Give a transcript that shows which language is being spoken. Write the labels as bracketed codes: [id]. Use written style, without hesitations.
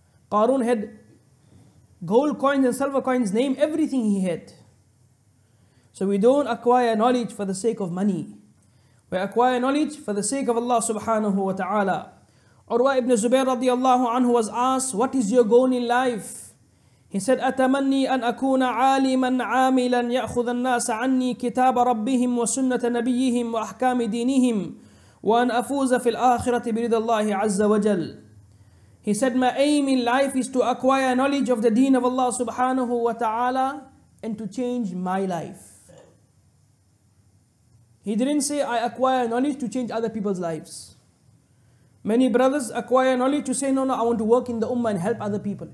[en] Qarun had gold coins and silver coins, name everything he had. So we don't acquire knowledge for the sake of money. We acquire knowledge for the sake of Allah subhanahu wa ta'ala. Urwa ibn Zubayr radiallahu anhu was asked, what is your goal in life? He said, [ar] أتمني أن أكون عالما عاملا يأخذ الناس عني كتاب ربهم وسنة نبيهم وأحكام دينهم وأن أفوز في الآخرة برضا الله عز وجل. [en] He said, my aim in life is to acquire knowledge of the deen of Allah subhanahu wa ta'ala and to change my life. He didn't say, I acquire knowledge to change other people's lives. Many brothers acquire knowledge to say, no, I want to work in the ummah and help other people.